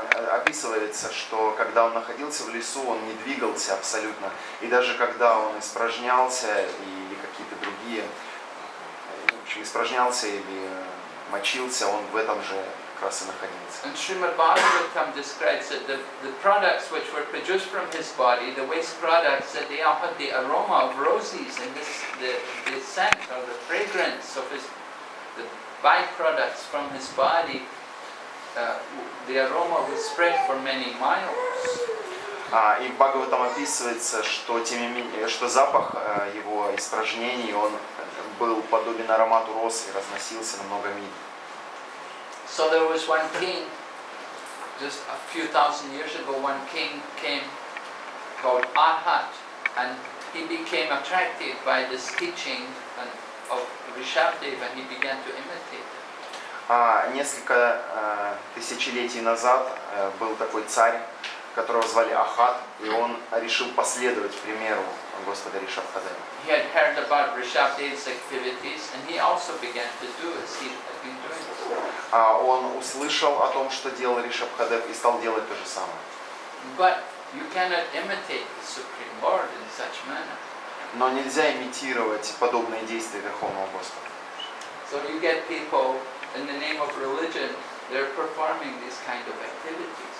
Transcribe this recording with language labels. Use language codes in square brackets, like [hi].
[ru] Описывается, что когда он находился в лесу, он не двигался абсолютно, и даже когда он испражнялся или какие-то другие, в общем, испражнялся или мочился, он в этом же как раз и находился. [en] And Srimad Bhagavatam describes that the products which were produced from his body, the waste products, that they offered the aroma of roses and the scent or the fragrance of his the byproducts from his body. The aroma was spread for many miles. [ru] И в Бхагаватам описывается, что тем не менее, что запах его испражнений, он был подобен аромату роз и разносился на много миль. [en] So there was one king, just a few thousand years ago, one king came called Arhat, and he became attracted by this teaching of Rishabdev, and he began to imitate. [ru] Несколько тысячелетий назад был такой царь, которого звали Ахат, и он решил последовать примеру Господа Ришабхадева. [en] He had heard about Rishabdev's activities, and he also began to do as he had been doing. [ru] Он услышал о том, что делал Ришабхадев, и стал делать то же самое. [en] But you cannot imitate the Supreme Lord in such manner. [ru] Но нельзя имитировать подобные действия Верховного Господа. [en] So you get people in the name of religion, they're performing these kind of activities.